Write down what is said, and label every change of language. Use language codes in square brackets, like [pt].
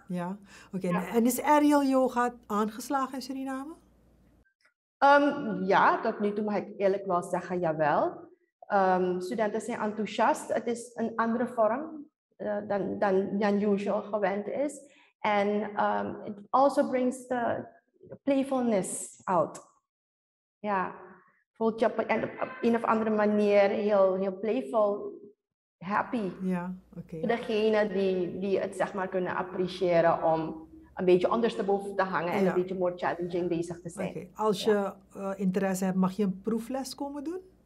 [nl] Ja, oké. Okay. Ja. En is aerial yoga aangeslagen in Suriname? Ja, tot nu toe mag ik eerlijk wel zeggen, jawel. Studenten zijn enthousiast. Het is een andere vorm dan Jan usual gewend is. [en] En it also brings the playfulness out. [nl] Ja, voelt je op een of andere manier heel playful, happy. Ja, oké. Okay. Degene die het zeg maar kunnen appreciëren om een beetje ondersteboven te hangen en een beetje [en] more challenging [nl] bezig te zijn. Oké, okay. Als je interesse hebt, mag je een proefles komen doen?